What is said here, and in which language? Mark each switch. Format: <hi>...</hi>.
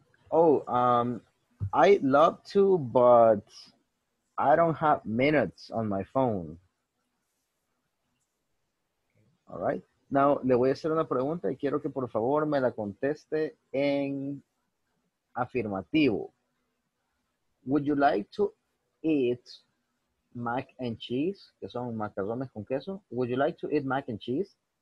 <en>I'd love to, but I don't have minutes on my phone. All right.</en> <es>Now, le voy a hacer una pregunta y quiero que por favor me la conteste en afirmativo.</es> <en>Would you like to eat mac and cheese?</en> <es>Que son macarrones con queso.</es> <en>Would you like to eat mac and cheese?</en>